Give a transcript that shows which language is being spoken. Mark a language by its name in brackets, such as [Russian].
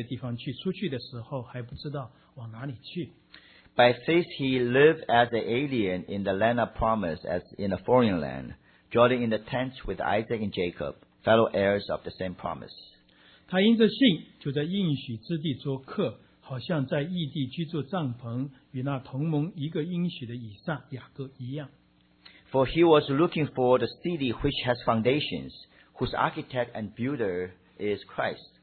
[Chinese] 亚伯拉罕因着信蒙召的时候就遵命出去，往将要为得为业的地方去。出去的时候还不知道往哪里去。 [English] By faith he lived as an alien in the land of promise, as in a foreign land, dwelling in the tents with Isaac and Jacob, fellow heirs of the same promise. [Chinese] 他因着信就在应许之地做客，好像在异地居住帐篷，与那同盟一个应许的以撒、雅各一样。 [English] For he was looking for the city which has foundations, whose architect and builder is Christ.